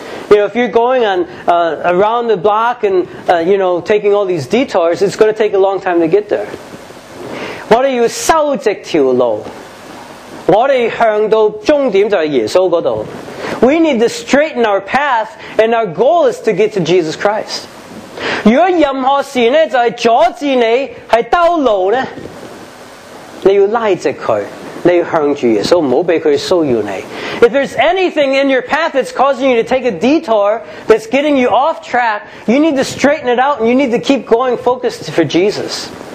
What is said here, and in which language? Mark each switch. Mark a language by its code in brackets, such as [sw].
[en] You know, if you're going on around the block and you know, taking all these detours, it's going to take a long time to get there. [yue] 我哋要收直条路，我哋向到终点就系耶稣嗰度。 [en] We need to straighten our path, and our goal is to get to Jesus Christ. [yue] 如果任何事呢，就系阻止你喺道路呢，你要拉直佢，你要向住耶稣，唔好俾佢骚扰你。 [en] If there's anything in your path that's causing you to take a detour, that's getting you off track, you need to straighten it out, and you need to keep going focused for Jesus.